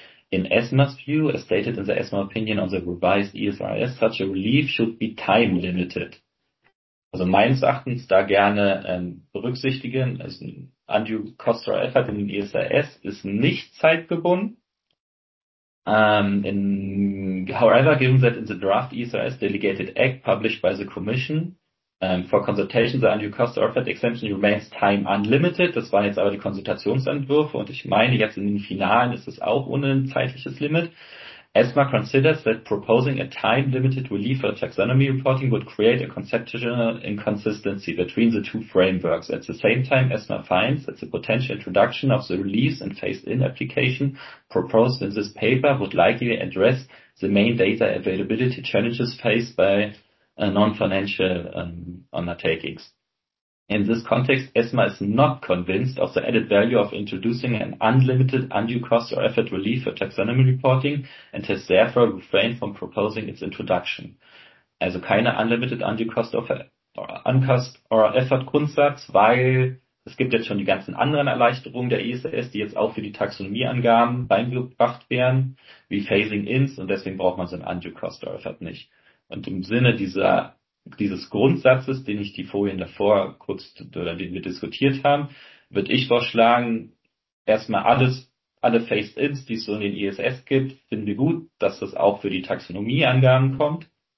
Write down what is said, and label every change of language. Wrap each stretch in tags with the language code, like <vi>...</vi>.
<en>In ESMA's view, as stated in the ESMA opinion on the revised ESRS, such a relief should be time limited.</en> <de>Also meines Erachtens da gerne berücksichtigen, also ein</de> <en>undue cost or effort</en> <de>in den ESRS ist nicht zeitgebunden.</de> <en>However, given that in the draft ESRS delegated act published by the commission, for consultation the undue cost or effort exemption remains time unlimited.</en> <de>Das waren jetzt aber die Konsultationsentwürfe und ich meine jetzt in den Finalen ist es auch ohne ein zeitliches Limit.</de> <en>ESMA considers that proposing a time-limited relief for taxonomy reporting would create a conceptual inconsistency between the two frameworks. At the same time, ESMA finds that the potential introduction of the reliefs and phased-in application proposed in this paper would likely address the main data availability challenges faced by non-financial undertakings. In this context, ESMA is not convinced of the added value of introducing an unlimited undue cost or effort relief for taxonomy reporting and has therefore refrained from proposing its introduction.</en> <de>Also keine</de> <en>unlimited undue cost or effort</en> <de>Grundsatz, weil es gibt jetzt schon die ganzen anderen Erleichterungen der ESRS, die jetzt auch für die Taxonomieangaben beigebracht werden, wie Phasing Ins und deswegen braucht man so ein</de> <en>undue cost or effort</en> <de>nicht. Und im Sinne dieses Grundsatzes, den ich die Folien davor kurz oder den wir diskutiert haben, würde ich vorschlagen, erstmal alle Phased-Ins, die es so in den ESRS gibt, finden wir gut, dass das auch für die Taxonomieangaben kommt,</de>